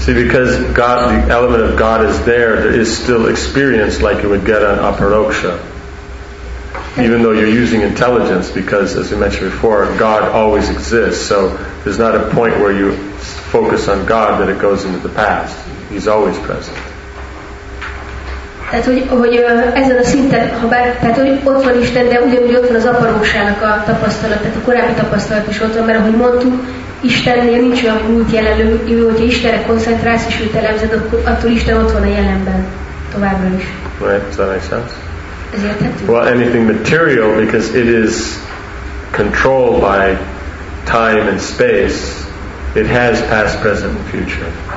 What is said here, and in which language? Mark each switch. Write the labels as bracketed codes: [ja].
[en] See, because God, the element of God is there, there is still experience like you would get on aparoksha. Even though you're using intelligence, because as we mentioned before, God always exists. So there's not a point where you focus on God that it goes into the past. He's always present. [hu] Tehát, hogy ezen a szinten, ha bár, tehát, hogy ott van Isten, de ugyanúgy ott van az aparóksának a tapasztalat, tehát a korábbi tapasztalat is ott van, mert ahogy mondtuk, Istennél nincs olyan múlt jelenlő, hogyha Istenre koncentrálsz és őt elemzed, akkor attól Isten ott van a jelenben továbbra is. [en] Right, does that make sense? [hu] Ez érthető? [en] Well, anything material, because it is controlled by time and space, it has past, present and future.